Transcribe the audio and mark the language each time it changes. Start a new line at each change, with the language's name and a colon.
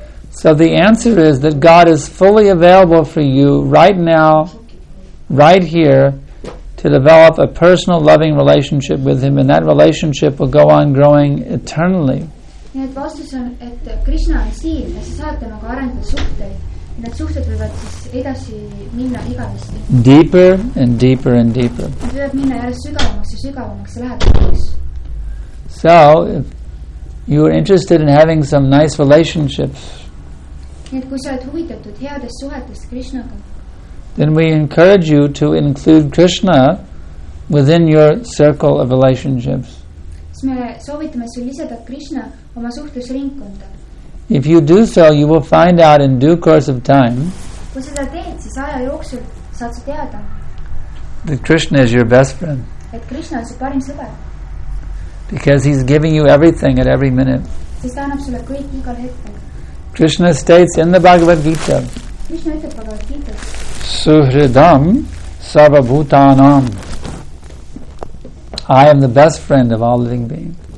English: So the answer is that God is fully available for you right now, right here, to develop a personal loving relationship with him, and that relationship will go on growing eternally.
Estonian: Nii et vastus on, et Krishna on siin ja sa saad temaga arendada suhteid ja need suhted võivad siis edasi minna igavesti.
English: Deeper and deeper and deeper.
Estonian: Need võivad minna järjest sügavamaks ja sügavamaks ja läheb.
English: So, if you are interested in having some nice relationships,
Estonian: nii et kui sa oled huvitatud headest suhetest Krishnaga,
English: then we encourage you to include Krishna within your circle of relationships.
Estonian: Me soovitame sul lisada Krishna oma suhtes ringkonda.
English: If you do so, you will find out in due course of time,
Estonian: kui seda teed, siis aja jooksul saad sa teada,
English: that Krishna is your best friend.
Estonian: Et Krishna on su parim sõber.
English: Because he's giving you everything at every minute.
Estonian: Sest ta annab sulle kõik igal hetkel.
English: Krishna states in the Bhagavad Gita,
Estonian: Krishna ütleb Bhagavad Gita,
Sanskrit: Suhridam Sabhabhutanam,
English: I am the best friend of all living beings.